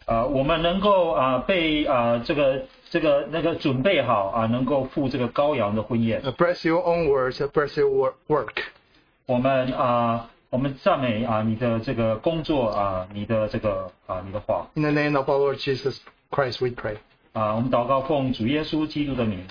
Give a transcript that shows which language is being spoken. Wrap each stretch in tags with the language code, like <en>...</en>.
<zh>我们能够, 被, 这个, 这个, 那个准备好, 能够赴这个羔羊的婚宴。</zh> <en>Bless your own words, bless your work.</en> <zh>我们, 我们赞美, 你的这个工作, 你的这个, 你的话。</zh> <en>In the name of our Lord Jesus Christ, we pray.</en> <zh>我们祷告奉主耶稣基督的名。</zh>